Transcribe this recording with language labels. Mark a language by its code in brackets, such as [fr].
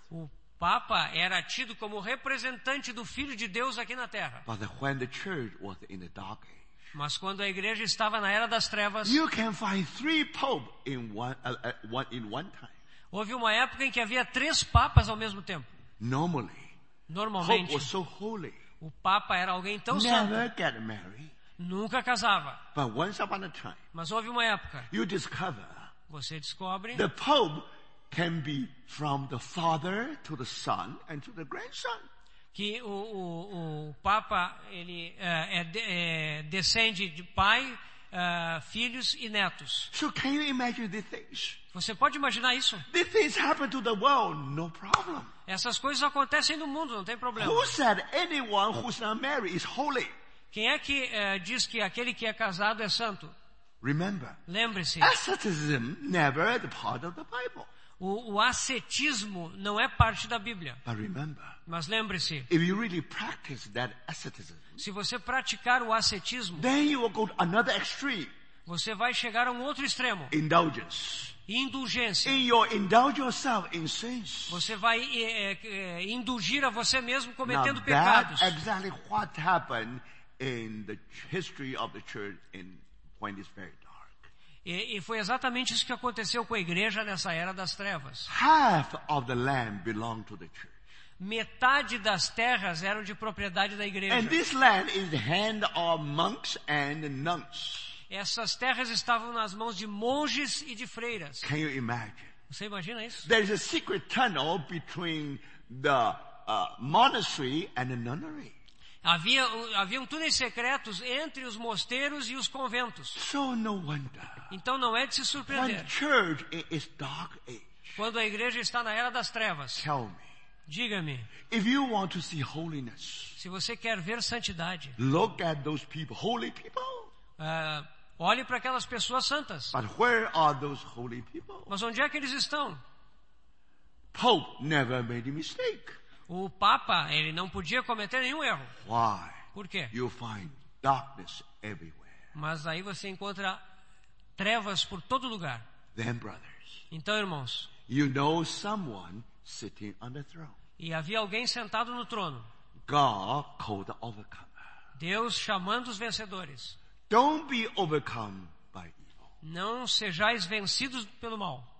[pt] O Papa era tido como representante do Filho de Deus aqui na Terra. [en] But when the church was in the dark age, [pt] mas quando a igreja estava na era das trevas, [en] you can find three popes in one time. [pt] Houve uma época em que havia três papas ao mesmo tempo. Normalmente, [en] Pope was so holy, [pt] o papa era alguém tão santo, nunca casava. [en] But once upon a time, [pt] mas houve uma época, [en] you discover, [pt] você descobre, [en] the pope can be from the father to the son and to the grandson. [pt] Que o Papa ele descende de pai, filhos e netos. [en] So can you imagine these things? [pt] Você pode imaginar isso? [en] These things happen to the world, no problem. [pt] Essas coisas acontecem no mundo, não tem problema. [en] Who said anyone who's not married is holy? [pt] Quem é que diz que aquele que é casado é santo? [en] Remember. [pt] Lembre-se. [en] Asceticism never is part of the Bible. [pt] O ascetismo não é parte da Bíblia. [en] Remember, [pt] mas lembre-se. [en] If you really practice that asceticism, [pt] se você praticar o ascetismo, [en] then you will go to another extreme. [pt] Você vai chegar a um outro extremo. [en] Indulgence. [pt] Indulgência. [en] In your indulge yourself in sins. [pt] Você vai indulgir a você mesmo cometendo [en] now, that [pt] pecados. [en] Exactly what happened in the history of the church in when it's very dark. [pt] E foi exatamente isso que aconteceu com a igreja nessa era das trevas. [en] Half of the land belonged to the church. [pt] Metade das terras eram de propriedade da igreja. [en] And this land is hand of monks and nuns. [pt] Essas terras estavam nas mãos de monges e de freiras. [en] Can you imagine? [pt] Você imagina isso? [en] There is a secret tunnel between the monastery and the nunnery. [pt] Havia túneis secretos entre os mosteiros e os conventos. [en] So no wonder, [pt] então não é de se surpreender. [en] When church in its dark age, [pt] quando a igreja está na era das trevas, [en] tell me, [pt] diga-me, [en] if you want to see holiness, [pt] se você quer ver santidade, [en] look at those people, holy people. [pt] Olhe para aquelas pessoas santas. [en] But where are those holy people? [pt] Mas onde é que eles estão? [en] Pope never made a mistake. [pt] O Papa, ele não podia cometer nenhum erro. [en] Why? [pt] Por quê? [en] You find darkness everywhere. [pt] Mas aí você encontra trevas por todo lugar. [en] Then, brothers, [pt] então, irmãos, [en] you know someone sitting on the throne. [pt] E havia alguém sentado no trono. [en] God called the overcomer. [pt] Deus chamando os vencedores. [en] Don't be overcome by evil. [pt] Não sejais vencidos pelo mal.